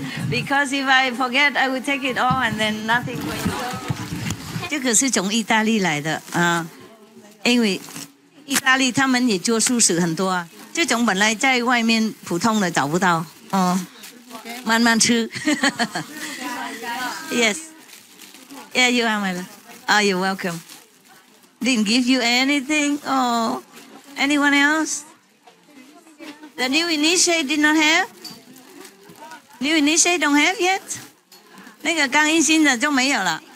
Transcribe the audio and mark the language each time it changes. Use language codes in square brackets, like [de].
[en] Because if I forget, I will take it all, and then nothing will go. [zh] 这个是从意大利来的啊，因为意大利他们也做素食很多啊，这种本来在外面普通的找不到，慢慢吃。 [en] Yes. Yeah, you are my love. Oh, you're welcome. Didn't give you anything? Oh, anyone else? The new initiate did not have? New initiate don't have yet? [zh] 那个刚印新的就没有了。